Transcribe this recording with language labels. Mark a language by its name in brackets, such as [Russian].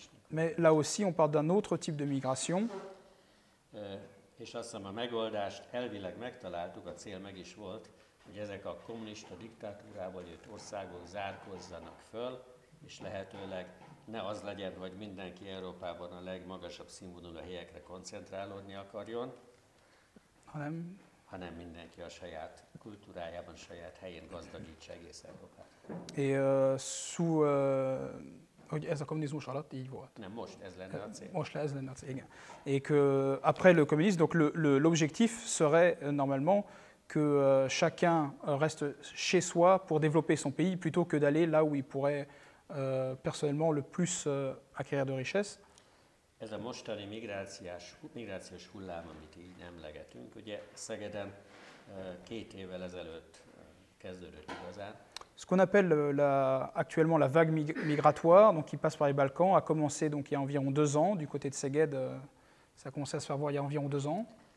[French] Mais là aussi, on parle d'un autre type de migration. [Hungarian] És azt hiszem, a megoldást elvileg megtaláltuk, a cél meg is volt, hogy ezek a kommunista diktatúrából jött országok zárkozzanak föl, és lehetőleg ne az legyen, hogy mindenki Európában a legmagasabb színvonalú helyekre koncentrálódni akarjon, hanem mindenki a saját kultúrájában, saját helyén gazdagítsa egész Európát. Hogy ez a kommunizmus alatt így volt. Nem, most ez lenne a cél. Most ez lenne a cél, igen. [French] Et que après le communisme, donc l'objectif serait normalement que chacun reste chez soi pour développer son pays plutôt que d'aller là où il pourrait personnellement le plus acquérir de richesses. [Hungarian] Ez a mostani migrációs hullám, amit így emlegetünk, ugye Szegeden két évvel ezelőtt kezdődött igazán. [French] Ce qu'on appelle actuellement la vague migratoire, donc qui passe par les Balkans, a commencé donc il y a environ 2 ans du côté de Szeged. Ça a commencé à se faire voir il y a environ 2 ans.